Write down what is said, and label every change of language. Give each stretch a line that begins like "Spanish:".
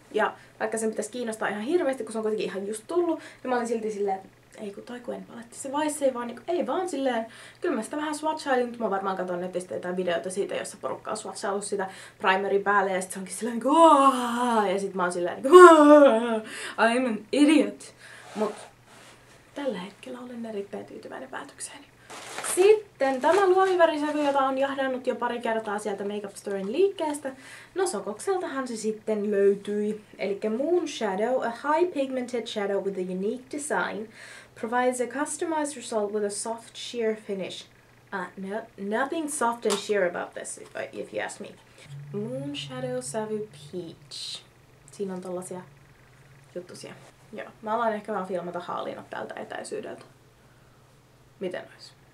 Finnish: Ja vaikka se pitäisi kiinnostaa ihan hirveesti, kun se on kuitenkin ihan just tullu, niin mä olin silti silleen, ei kun toi Gwen paletti, se Vice ei vaan niinku, ei vaan silleen, kyllä mä sitä vähän swatchailin, mutta mä varmaan katson netistä jotain videoita siitä, jossa porukka on swatchaillut sitä primeri päälle, ja sit se onkin silleen niinku, ja sit mä oon silleen niinku,
English: I'm an idiot.
Finnish: Mut tällä hetkellä olen erittäin tyytyväinen päätökseeni. Sitten tämä luomivärisävy, jota on jahdannut jo pari kertaa sieltä Makeup Storen liikkeestä. No sokokseltahan se sitten löytyi.
English: Elikkä Moon Shadow, a high pigmented shadow with a unique design, provides a customized result with a soft sheer finish. No, nothing soft and sheer about this, if you ask me. Moon Shadow Savvy Peach.
Finnish: Siinä on tollasia juttusia. Joo, mä aloin ehkä vaan filmata haalina tältä etäisyydeltä. Miten ois?